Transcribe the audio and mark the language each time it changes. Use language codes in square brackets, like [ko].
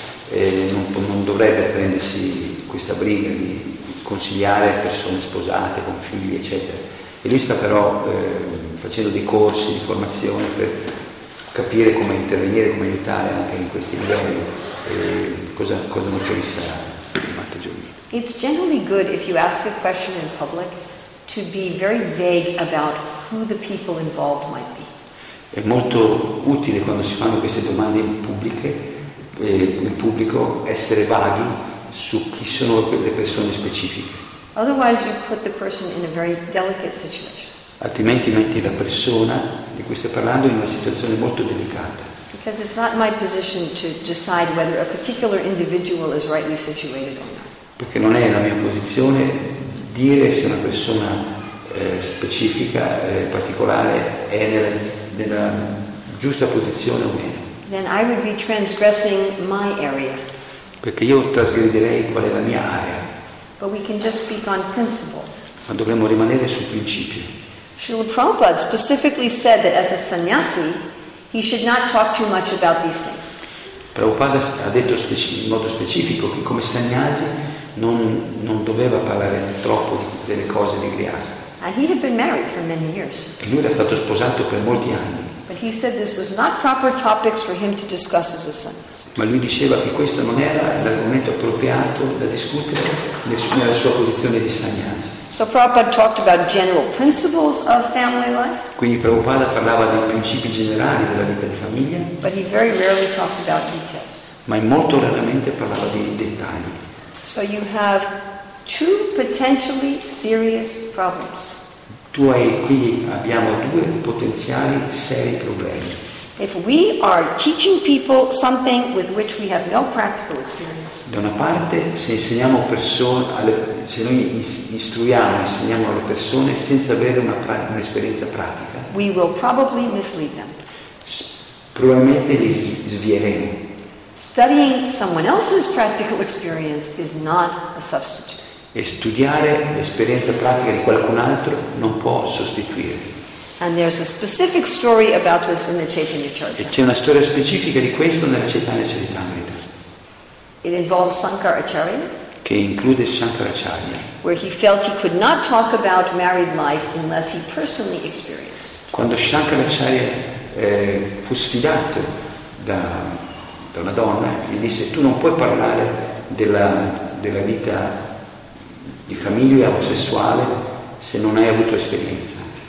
[it] non dovrebbe prendersi questa briga di consigliare persone sposate con figli eccetera, e lui sta però facendo dei corsi di formazione per capire come intervenire, come aiutare anche in questi livelli, cosa non pensa Matta Giovanni. [en] It's generally good if you ask a question in public to be very vague about who the people involved might be. [it] È molto utile quando si fanno queste domande pubbliche, in pubblico, essere vaghi su chi sono le persone specifiche. [en] Otherwise you put the person in a very delicate situation. [it] Altrimenti metti la persona di cui stai parlando in una situazione molto delicata. [en] Because it's not my position to decide whether a particular individual is rightly situated or not. [it] Perché non è la mia posizione dire se una persona specifica, particolare, è nella giusta posizione o meno. [en] Then I would be transgressing my area. [it] Perché io trasgrederei qual è la mia area. [en] But we can just speak on principle. [it] Ma dovremmo rimanere sul principio. [en] Srila Prabhupada specifically said that as a sannyasi, he should not talk too much about these things. [it] Prabhupada ha detto in modo specifico che come sannyasi non doveva parlare troppo delle cose di grihastha. [en] And he had been married for many years. [it] E lui era stato sposato per molti anni. [en] But he said this was not proper topics for him to discuss as a sannyasi. [it] Ma lui diceva che questo non era l'argomento appropriato da discutere nella sua posizione di sannyasi. [en] So Prabhupada talked about general principles of family life. [it] Quindi Prabhupada parlava dei principi generali della vita di famiglia. [en] But he very rarely talked about details. [it] Ma molto raramente parlava dei dettagli. [en] So you have two potentially serious problems. [it] Tu hai, quindi abbiamo due potenziali seri problemi. [en] If we are teaching people something with which we have no practical experience. [it] Da una parte, se insegniamo persone, se noi insegniamo alle persone senza avere un'esperienza pratica. [en] We will probably mislead them. [it] Probabilmente li svieremo. [en] Studying someone else's practical experience is not a substitute. [it] E studiare l'esperienza pratica di qualcun altro non può sostituire. [en] And there's a specific story about this in the Chaitanya Charitamrita. [it] E c'è una storia specifica di questo nella Chaitanya Charitamrita. [en] It involves Shankaracharya. [it] Che include Shankaracharya. [en] Where he felt he could not talk about married life unless he personally experienced. [it] Quando Shankaracharya fu sfidato da una donna, gli disse: tu non puoi parlare della vita di famiglia o sessuale se non hai avuto esperienza.